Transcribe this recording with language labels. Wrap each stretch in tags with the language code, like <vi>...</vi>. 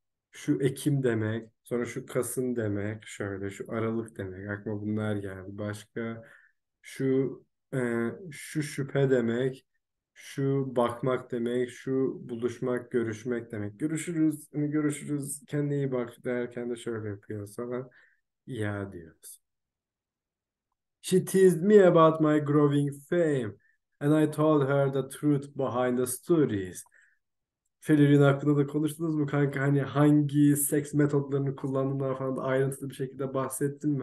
<tr>Şu Ekim demek, sonra şu Kasım demek, şöyle şu Aralık demek. Aklıma bunlar geldi. Başka şu şu şüphe demek, şu bakmak demek, şu buluşmak, görüşmek demek. Görüşürüz, hani görüşürüz, kendine iyi bak derken de şöyle yapıyor sana. Ya diyoruz.</tr> <en>She teased me about my growing fame and I told her the truth behind the stories.</en> <tr>Felirin hakkında da konuştunuz mu kanka? Hani hangi seks metotlarını kullandığından falan da ayrıntılı bir şekilde bahsettin mi?</tr>